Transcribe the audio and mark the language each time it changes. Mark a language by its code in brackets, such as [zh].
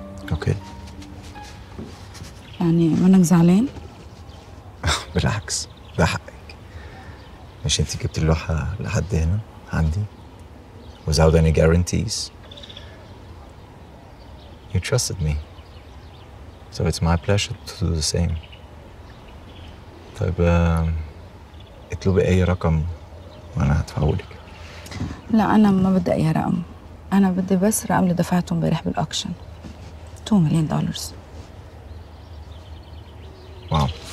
[ar] أوكي. يعني منك زعلان؟ بالعكس، ده حقك. مش أنت جبت اللوحة لحد هنا عندي؟ [en] Without any guarantees. You trusted me. So it's my pleasure to do the same. [ar] طيب اطلبي أي رقم وأنا هدفعهولك. لا أنا ما بدي أي رقم. أنا بدي بس رقم اللي دفعته امبارح بالأكشن. 2 مليون دولار. واو.